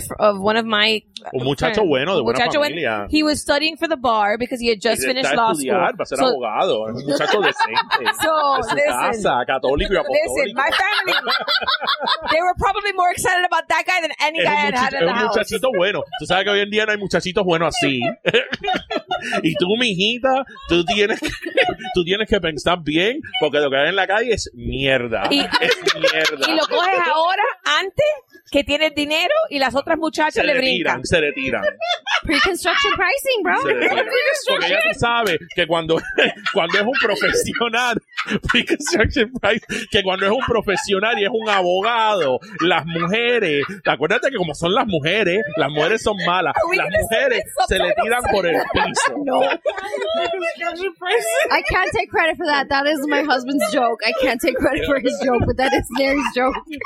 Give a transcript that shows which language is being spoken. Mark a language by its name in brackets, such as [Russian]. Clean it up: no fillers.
[Spanish] muchacho bueno, de muchacho buena familia. [English] He was studying for the bar because he had just finished law school. [Spanish] Va a ser abogado. Muchacho decente. [English] So, listen, my family, they were probably more excited about that guy than any guy I had in the house. [Spanish] Muchachito bueno. Tú sabes que hoy en día no hay muchachitos buenos así. Y tú, mijita, tú tienes que pensar bien porque lo que hay en la calle es mierda. Es mierda. Y lo coges ahora, antes, que tiene dinero y las otras muchachas le brincan. Se le tiran. [English] Pre-construction pricing, bro. [Spanish] Porque ella sabe que cuando es un profesional, [English] pre-construction pricing, [Spanish] que cuando es un profesional y es un abogado, las mujeres, acuérdate que como son las mujeres son malas, las mujeres se le tiran por el piso. [English] No. I can't take credit for that. That is my husband's joke. I can't take credit for his joke, but that is Mary's joke.